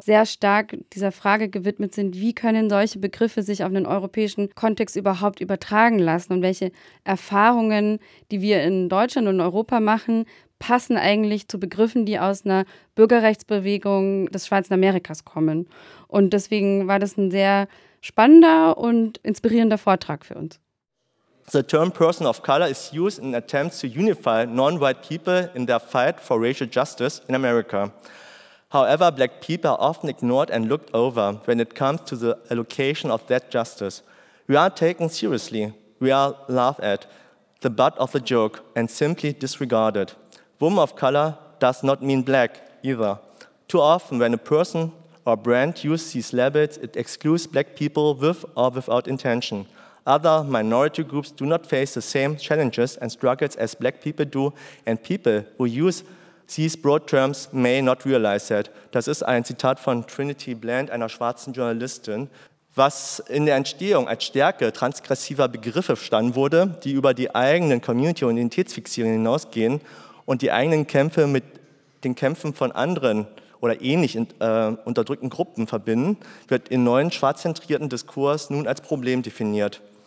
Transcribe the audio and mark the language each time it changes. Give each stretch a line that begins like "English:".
German: sehr stark dieser Frage gewidmet sind, wie können solche Begriffe sich auf einen europäischen Kontext überhaupt übertragen lassen und welche Erfahrungen, die wir in Deutschland und Europa machen, passen eigentlich zu Begriffen, die aus einer Bürgerrechtsbewegung des Schwarzen Amerikas kommen. Und deswegen war das ein sehr spannender und inspirierender Vortrag für uns.
English: The term person of color is used in attempts to unify non-white people in their fight for racial justice in America. However, black people are often ignored and looked over when it comes to the allocation of that justice. We are taken seriously, we are laughed at, the butt of the joke, and simply disregarded. Woman of color does not mean black either. Too often when a person or brand uses these labels, it excludes black people with or without intention. Other minority groups do not face the same challenges and struggles as black people do, and people who use these broad terms may not realize that.
German: Das ist ein Zitat von Trinity Bland, einer schwarzen Journalistin, was in der Entstehung als Stärke transgressiver Begriffe verstanden wurde, die über die eigenen Community- und Identitätsfixierungen hinausgehen und die eigenen Kämpfe mit den Kämpfen von anderen oder ähnlich unterdrückten Gruppen verbinden, wird in neuen schwarzzentrierten Diskurs nun als Problem definiert.